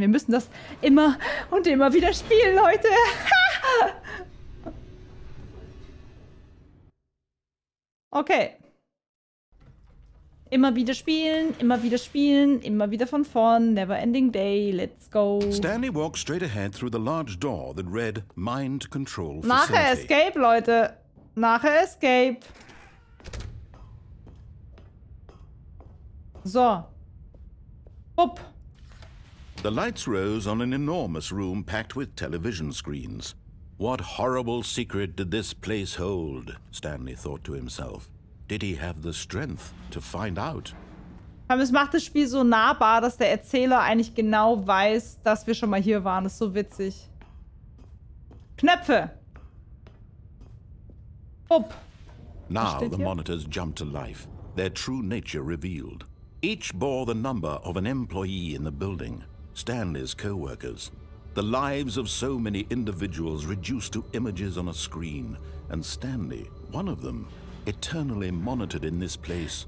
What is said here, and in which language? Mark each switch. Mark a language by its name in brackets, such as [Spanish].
[German] Wir müssen das immer und immer wieder spielen, Leute. Okay. Immer wieder spielen, immer wieder von vorn, [English] never ending day, let's go. Stanley walked straight ahead through the large door that read Mind Control Facility. [German] Nachher Escape, Leute. Nachher Escape. So. Hup. [English] The lights rose on an enormous room packed with television screens. What horrible secret did this place hold? Stanley thought to himself. Did he have the strength to find out? [German] Es macht das Spiel so nahbar, dass der Erzähler eigentlich genau weiß, dass wir schon mal hier waren. Das ist so witzig. Knöpfe! [English] Up. Now the monitors jumped to life, their true nature revealed. Each bore the number of an employee in the building, Stanley's co-workers. The lives of so many individuals reduced to images on a screen, and Stanley, one of them, eternally monitored in this place.